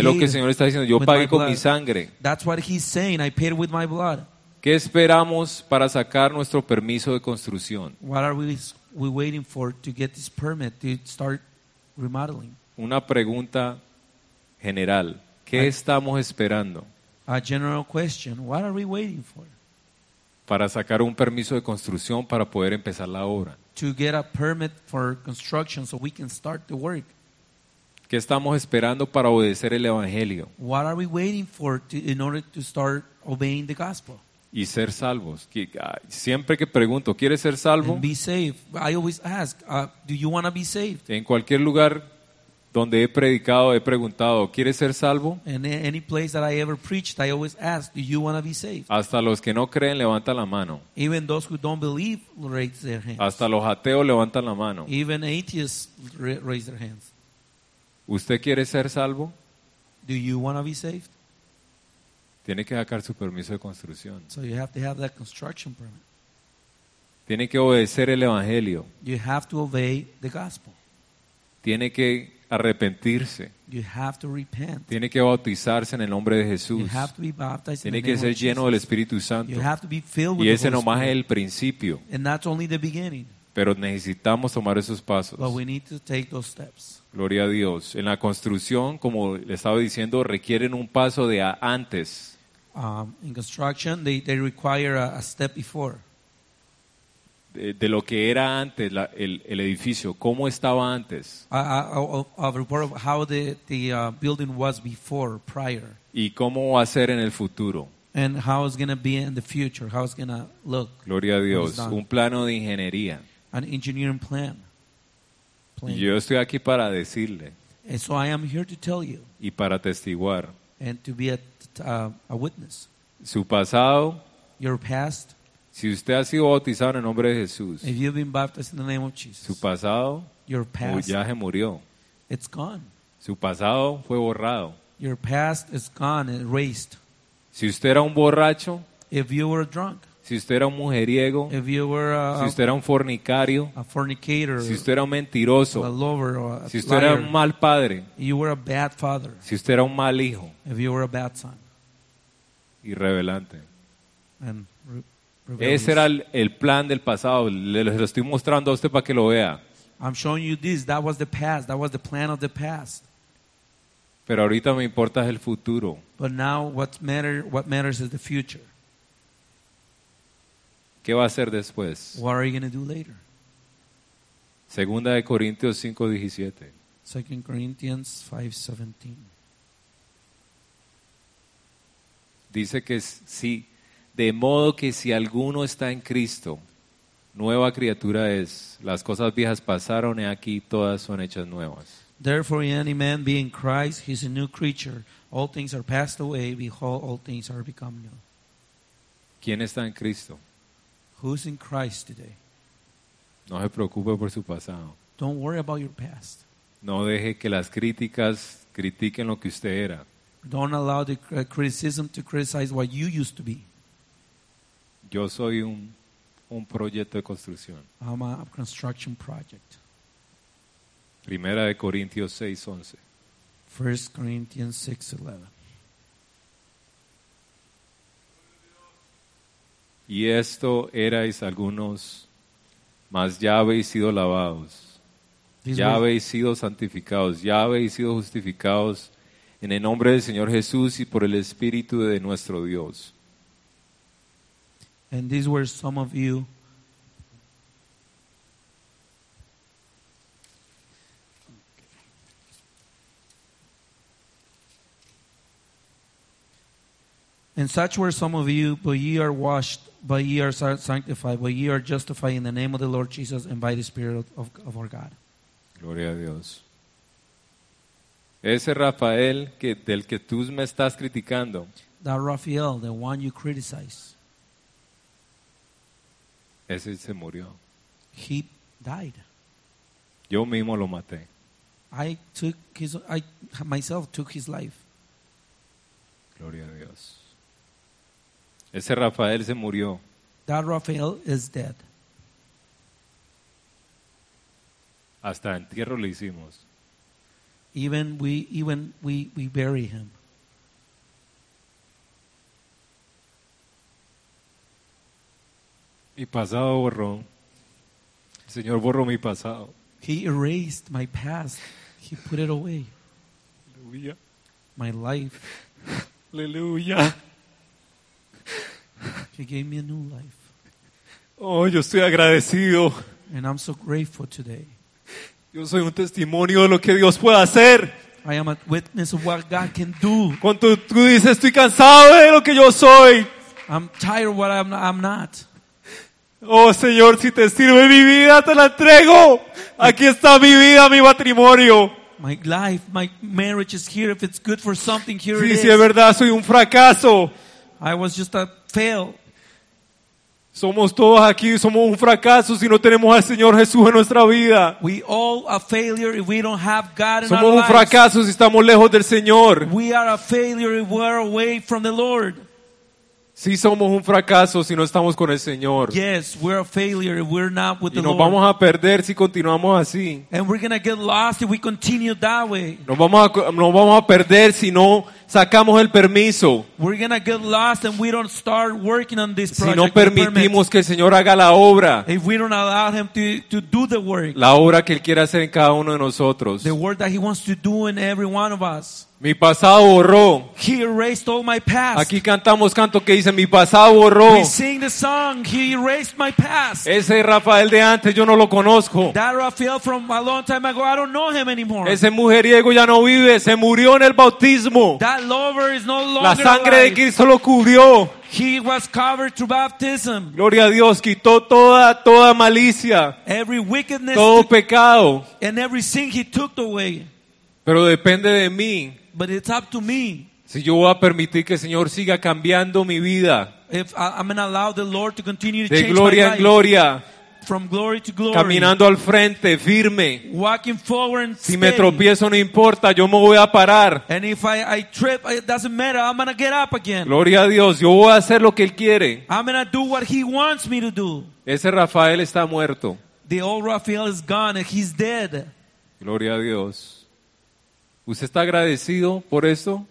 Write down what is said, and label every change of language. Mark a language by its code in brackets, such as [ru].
[es] Es lo que el Señor está diciendo. Yo pagué con mi sangre. [en] That's what he's saying. I paid with my blood. [es] ¿Qué esperamos para sacar nuestro permiso de construcción? [en] What are we waiting for to get this permit to start remodeling? [es] Una pregunta general. ¿Qué estamos esperando? [en] A general question. What are we waiting for? [es] Para sacar un permiso de construcción para poder empezar la obra. [en] To get a permit for construction so we can start the work. [es] ¿Qué estamos esperando para obedecer el evangelio? [en] What are we waiting for in order to start obeying the gospel? [es] Y ser salvos. Siempre que pregunto, ¿quieres ser salvo? [en] And be saved. I always ask, do you want to be saved? [es] En cualquier lugar donde he predicado, he preguntado, ¿quieres ser salvo? [en] In any place that I ever preached, I always ask, do you want to be saved? [es] Hasta los que no creen levantan la mano. [en] Even those who don't believe raise their hands. [es] Hasta los ateos levantan la mano. [en] Even atheists raise their hands. [es] ¿Usted quiere ser salvo? [en] Do you want to be saved? [es] Tiene que sacar su permiso de construcción. [en] So you have to have that construction permit. [es] Tiene que obedecer el evangelio. [en] You have to obey the gospel. [es] Tiene que arrepentirse. [en] You have to repent. [es] Tiene que bautizarse en el nombre de Jesús. [en] You have to be baptized. [es] Tiene que ser lleno del Espíritu Santo. [en] You have to be filled with the Holy Spirit. [es] Y ese nomás es el principio. [en] And that's only the beginning. [es] Pero necesitamos tomar esos pasos. [en] But we need to take those steps. [es] Gloria a Dios. En la construcción, como le estaba diciendo, requieren un paso de antes. [en] In construction, they require a step before. [es] De lo que era antes el edificio, cómo estaba antes. [en] A report of how the building was before, prior. [es] Y cómo va a ser en el futuro. [en] And how it's gonna be in the future, how it's gonna look. [es] Gloria a Dios. Un plano de ingeniería. [en] An engineering plan. [es] Y yo estoy aquí para decirle. [en] And so I am here to tell you. [es] Y para testiguar. [en] And to be a witness. [es] Su pasado. [en] Your past. [es] Si usted ha sido bautizado en el nombre de Jesús. [en] If you've been baptized in the name of Jesus. [es] Su pasado. [en] Your past. [es] Ya se murió. [en] It's gone. [es] Su pasado fue borrado. [en] Your past is gone, erased. [es] Si usted era un borracho. [en] If you were drunk. [es] Si usted era un mujeriego, [en] if you were [es] si usted era un fornicario, [en] a fornicator, [es] si usted era un mentiroso, [en] a lover, a [es] si usted [en] liar, [es] era un mal padre, [en] you were a bad father, [es] si usted era un mal hijo, [en] if you were a bad son, [es] irrevelante. [en] And [es] ese era el plan del pasado. Le lo estoy mostrando a usted para que lo vea. [en] I'm showing you this. That was the past. That was the plan of the past. [es] Pero ahorita me importa es el futuro. [en] But now what matters is the future. [es] ¿Qué va a hacer después? [en] What are you going to do later? [es] Segunda de Corintios 5:17. [en] 2 Corinthians 5:17. [es] Dice que sí, de modo que si alguno está en Cristo, nueva criatura es. Las cosas viejas pasaron y aquí todas son hechas nuevas. [en] Therefore, if any man be in Christ, he is a new creature. All things are passed away, behold, all things are become new. [es] ¿Quién está en Cristo? [en] Who's in Christ today? [es] No se preocupe por su pasado. [en] Don't worry about your past. [es] No deje que las críticas critiquen lo que usted era. [en] Don't allow the criticism to criticize what you used to be. [es] Yo soy un proyecto de construcción. [en] I'm a construction project. [es] Primera de Corintios 6:11. [en] 1 Corinthians 6:11. [es] Y esto erais algunos, mas ya habéis sido lavados, ya habéis sido santificados, ya habéis sido justificados en el nombre del Señor Jesús y por el Espíritu de nuestro Dios. [en] And these were some of you. And such were some of you, but ye are washed, but ye are sanctified, but ye are justified in the name of the Lord Jesus and by the Spirit of our God. [es] Gloria a Dios. Ese Rafael que, del que tú me estás criticando. [en] That Rafael, the one you criticize. [es] Ese se murió. [en] He died. [es] Yo mismo lo maté. [en] I myself took his life. [es] Gloria a Dios. Ese Rafael se murió. [en] That Rafael is dead. [es] Hasta entierro le hicimos. [en] Even we bury him. [es] Mi pasado borró. El Señor borró mi pasado. [en] He erased my past. He put it away. [es] Aleluya. [en] My life. [es] Aleluya. [en] He gave me a new life. [es] Oh, yo estoy agradecido. [en] And I'm so grateful today. [es] Yo soy un testimonio de lo que Dios puede hacer. [en] I am a witness of what God can do. [es] Cuando tú dices, estoy cansado de lo que yo soy. [en] I'm tired of what I'm not. [es] Oh, Señor, si te sirve mi vida, te la entrego. Aquí está mi vida, mi matrimonio. [en] My life, my marriage is here. If it's good for something, here [es] sí, [en] it is. [es] Sí, es verdad, soy un fracaso. [en] I was just a fail. [es] Somos todos aquí, somos un fracaso si no tenemos al Señor Jesús en nuestra vida. [en] We all a failure if we don't have God in [es] somos Somos un fracaso si estamos lejos del Señor. [en] We are a failure if we're away from the Lord. [es] Sí, somos un fracaso si no estamos con el Señor. [en] Yes, we're a failure if we're not with the Lord. [es] Y nos vamos a perder si continuamos así. [en] And we're gonna get lost if we continue that way. [es] Nos vamos a perder si no sacamos el permiso. [en] We're gonna get lost and we don't start working on this project. [es] Si no permitimos que el Señor haga la obra. [en] If we don't allow him to do the work. [es] La obra que él quiere hacer en cada uno de nosotros. [en] The work that he wants to do in every one of us. [es] Mi pasado borró. [en] He erased all my past. [es] Aquí cantamos canto que dice mi pasado borró. [en] We sing the song, he erased my past. [es] Ese Rafael de antes yo no lo conozco. [en] That Rafael from a long time ago, I don't know him anymore. [es] Ese mujeriego ya no vive, se murió en el bautismo. [en] That lover is no longer [es] la sangre [en] alive. [es] De Cristo lo cubrió. [en] He was covered through baptism. [es] Gloria a Dios, quitó toda malicia. [en] Every wickedness, [es] todo pecado. [en] And every sin he took away. [es] Pero depende de mí. [en] But it's up to me. [es] Si yo voy a permitir que el Señor siga cambiando mi vida. [en] If I'm gonna allow the Lord to continue to [es] de [en] change [es] gloria [en] my [es] en gloria. [en] Life, from glory to glory. [es] Caminando al frente, firme. [en] Walking forward and [es] si [en] steady. [es] Me tropiezo no importa, yo me voy a parar. [en] And if I trip, it doesn't matter, I'm gonna get up again. [es] Gloria a Dios, yo voy a hacer lo que él quiere. [en] I'm gonna do what he wants me to do. [es] Ese Rafael está muerto. [en] The old Rafael is gone and he's dead. [es] Gloria a Dios. ¿Usted está agradecido por eso?